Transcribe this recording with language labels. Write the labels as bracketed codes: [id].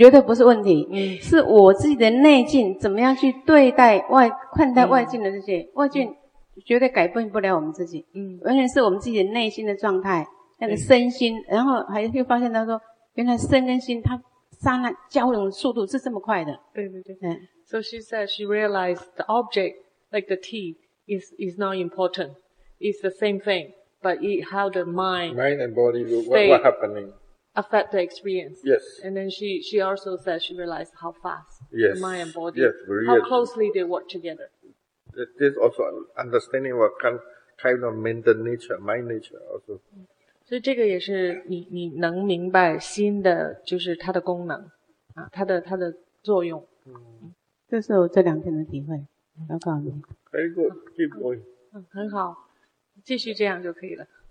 [zh] 绝对不是问题，是我自己的内境怎么样去对待外看待外境的这些外境，绝对改变不了我们自己，完全是我们自己的内心的状态，那个身心，然后还会发现到说，原来身跟心它刹那交融的速度是这么快的。对对对。 [en] So she said she realized the object like the tea is not important. It's the same thing, but it, how the mind and body what happening. Affect the experience. Yes. And then she also said she realized how fast. Yes. Mind and body. Yes, very how closely they work together. This also understanding what kind of mental nature, mind nature also. [zh] 所以这个也是你能明白心的就是它的功能啊，它的作用。这是我这两天的体会，刚刚的。 [en] Very good. Keep going. [zh] 很好，继续这样就可以了。